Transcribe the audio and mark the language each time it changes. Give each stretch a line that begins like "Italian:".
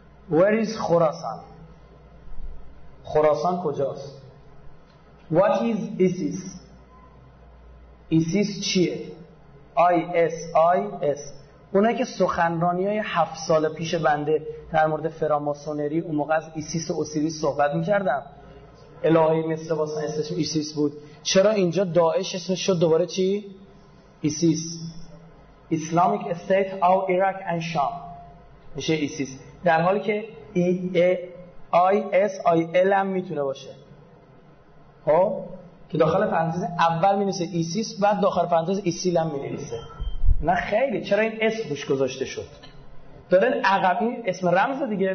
English: Where is Khorasan?
Persian: خراسان کجاست؟
English: What is ISIS؟ ISIS
Persian: چیه؟
English: ISIS.
Persian: اونایی که سخنرانی‌های 7 سال پیش بنده در مورد فراماسونری اون موقع از ISIS و اوسیریس صحبت می‌کردم، الهه مصر واسه اسمش ISIS بود. چرا اینجا داعش اسمش شد دوباره چی؟ ISIS.
English: Islamic State of Iraq and Sham.
Persian: میشه ISIS. در حالی که ISIL هم میتونه باشه. خب؟ که داخل پرانتز اول مینویسه ISIS بعد داخل پرانتز ISIL هم مینویسه. نه خیلی، چرا این اسم روش گذاشته شد؟ دارن عقب این اسم رمز دیگه.